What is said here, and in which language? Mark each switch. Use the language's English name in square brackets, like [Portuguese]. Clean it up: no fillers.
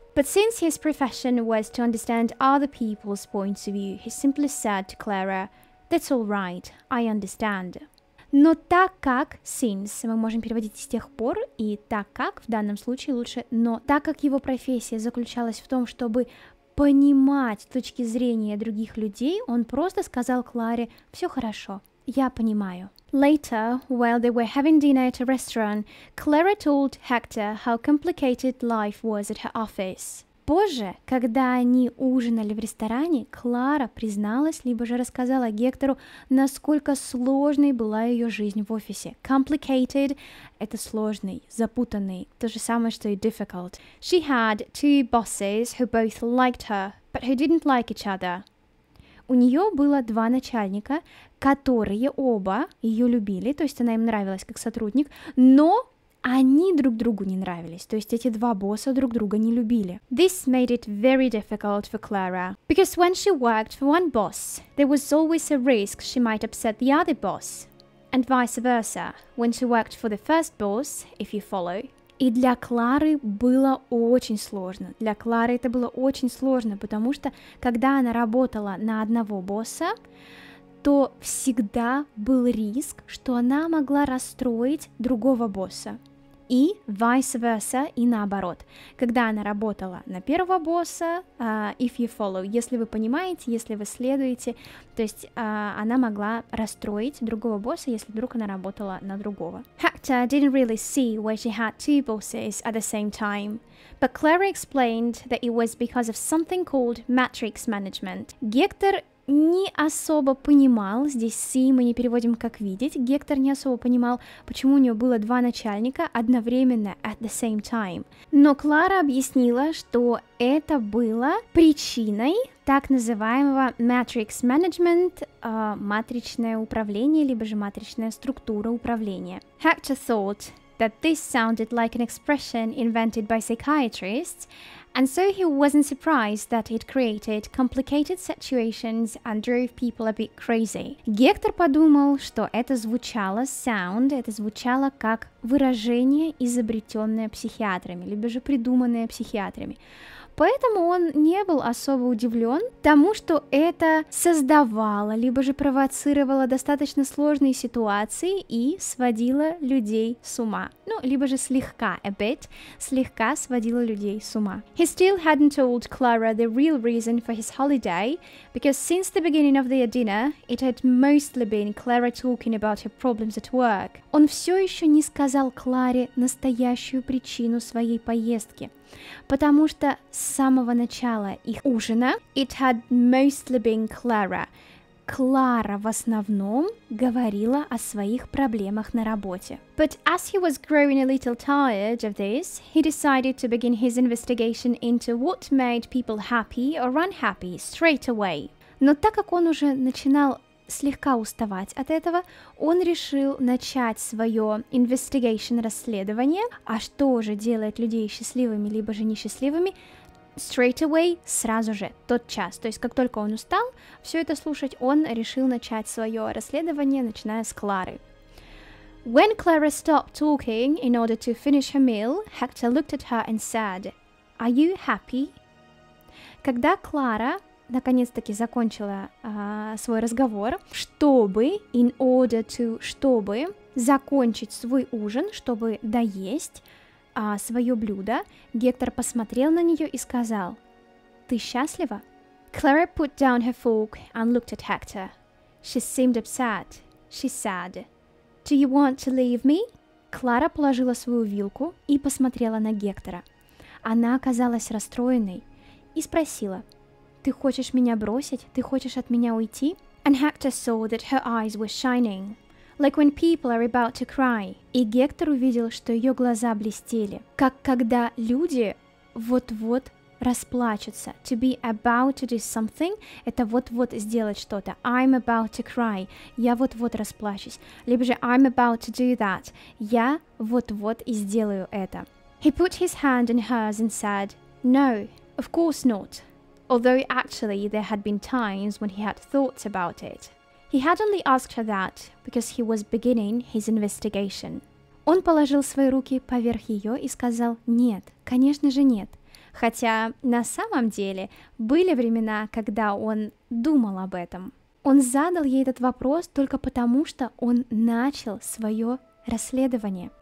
[English] But since his profession was to understand other people's points of view, he simply said to Clara, "That's all right, I understand." [Russian] Но так как, since, мы можем переводить с тех пор, и так как, в данном случае лучше, но так как его профессия заключалась в том, чтобы понимать точки зрения других людей, он просто сказал Кларе, все хорошо, я понимаю. [English] Later, while they were having dinner at a restaurant, Clara told Hector how complicated life was at her office. [Russian] Позже, когда они ужинали в ресторане, Клара призналась, либо же рассказала Гектору, насколько сложной была ее жизнь в офисе. Complicated – это сложный, запутанный, то же самое, что и difficult. [English] She had two bosses who both liked her, but who didn't like each other. [Russian] У нее было два начальника, которые оба ее любили, то есть она им нравилась как сотрудник, но они друг другу не нравились, то есть эти два босса друг друга не любили. [English] This made it very difficult for Clara, because when she worked for one boss, there was always a risk she might upset the other boss, and vice versa, when she worked for the first boss, if you follow. [Russian] И для Клары было очень сложно, для Клары это было очень сложно, потому что когда она работала на одного босса, то всегда был риск, что она могла расстроить другого босса. И vice versa, и наоборот. Когда она работала на первого босса, [English] if you follow, [Russian] если вы понимаете, если вы следуете, то есть она могла расстроить другого босса, если вдруг она работала на другого. [English] Hector didn't really see why she had two bosses at the same time. But Clara explained that it was because of something called matrix management. Гектор [Russian] не особо понимал, здесь see мы не переводим как видеть, Гектор не особо понимал, почему у него было два начальника одновременно, [English] at the same time. [Russian] Но Клара объяснила, что это было причиной так называемого matrix management, матричное управление, либо же матричная структура управления. [English] Hector thought that this sounded like an expression invented by psychiatrists, and so he wasn't surprised that it created complicated situations and drove people a bit crazy. [Russian] Гектор подумал, что это звучало sound, это звучало как выражение, изобретенное психиатрами, либо же придуманное психиатрами. Поэтому он не был особо удивлен тому, что это создавало, либо же провоцировало достаточно сложные ситуации и сводило людей с ума. Ну, либо же слегка, [English] a bit, [Russian] слегка сводило людей с ума. [English] He still hadn't told Clara the real reason for his holiday, because since the beginning of their dinner, it had mostly been Clara talking about her problems at work. [Russian] Он все еще не сказал Кларе настоящую причину своей поездки. Потому что с самого начала их ужина [English] it had mostly been Clara. [Russian] Клара в основном говорила о своих проблемах на работе. [English] But as he was growing a little tired of this, he decided to begin his investigation into what made people happy or unhappy straight away. [Russian] Но так как он уже начинал слегка уставать от этого, он решил начать свое investigation, расследование, а что же делает людей счастливыми, либо же несчастливыми, [English] straight away, [Russian] сразу же, тот час. То есть, как только он устал все это слушать, он решил начать свое расследование, начиная с Клары. [English] When Clara stopped talking in order to finish her meal, Hector looked at her and said, "Are you happy?" [Russian] Когда Клара наконец-таки закончила свой разговор, чтобы, [English] in order to, [Russian] чтобы закончить свой ужин, чтобы доесть свое блюдо, Гектор посмотрел на нее и сказал, «Ты счастлива?» [English] Clara put down her fork and looked at Hector. She seemed upset. She said, «Do you want to leave me?» [Russian] Клара положила свою вилку и посмотрела на Гектора. Она оказалась расстроенной и спросила, ты хочешь меня бросить? Ты хочешь от меня уйти? [English] And Hector saw that her eyes were shining, like when people are about to cry. [Russian] И Гектор увидел, что ее глаза блестели, как когда люди вот-вот расплачутся. [English] To be about to do something – [Russian] это вот-вот сделать что-то. [English] I'm about to cry [Russian] – я вот-вот расплачусь. Либо же [English] I'm about to do that [Russian] – я вот-вот и сделаю это. [English] He put his hand in hers and said, "No, of course not." Although actually there had been times when he had thoughts about it. He had only asked her that because he was beginning his investigation. [Russian] Он положил свои руки поверх ее и сказал, нет, конечно же нет. Хотя на самом деле были времена, когда он думал об этом. Он задал ей этот вопрос только потому, что он начал свое расследование.